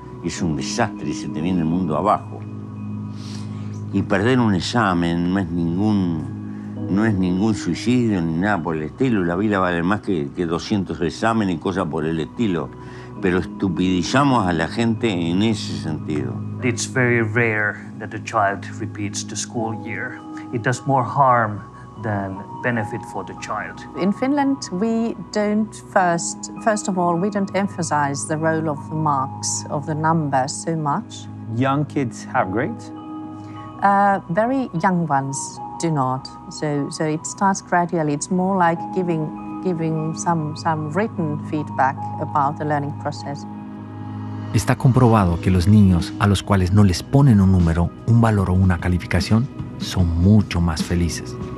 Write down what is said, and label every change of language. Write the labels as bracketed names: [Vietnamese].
[Spanish] Es un desastre y se te viene el mundo abajo. Y perder un examen no es ningún... No es ningún suicidio ni nada por el estilo. La vida vale más que 200 exámenes y cosas por el estilo. Pero estupidizamos a la gente en ese sentido. [English] It's very rare that a child repeats the school year. It does more harm than benefit for the child. In Finland, we don't first of all, we don't emphasize the role of the marks, of the numbers so much. Young kids have grades? Very young ones. Do not. So it starts gradually. It's more like giving some written feedback about the learning process. [Spanish] Está comprobado que los niños a los cuales no les ponen un número, un valor o una calificación son mucho más felices.